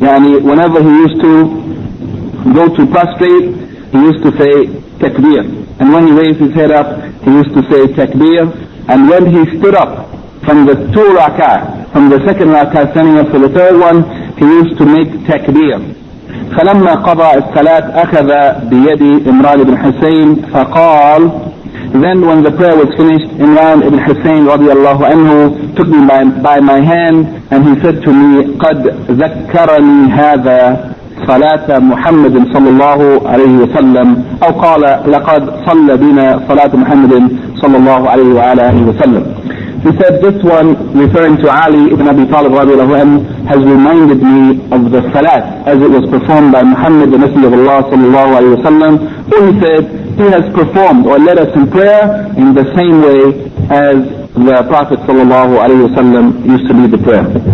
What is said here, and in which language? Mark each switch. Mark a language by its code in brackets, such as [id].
[en] يعني, whenever he used to go to prostrate, he used to say takbir. And when he raised his head up, he used to say takbir. And when he stood up from the two rak'ah, from the second rak'ah, standing up for the third one, he used to make takbir. [ar] فلما قضى الصلاة أخذ بيد إمران بن حسين فقال. [en] Then when the prayer was finished, Imran ibn Hussein رضي الله عنه took me by my hand and he said to me, [ar] قد ذكرني هذا صلاة محمد صلى الله عليه وسلم, أو قال لقد صلى بنا صلاة محمد صلى الله عليه وعلى آله وسلم. [en] He said, this one, referring to Ali ibn Abi Talib radiallahu anhu, has reminded me of the Salat as it was performed by Muhammad, the Messenger of Allah sallallahu alayhi wa sallam, who he said, he has performed or led us in prayer in the same way as the Prophet sallallahu alayhi wa sallam used to lead the prayer.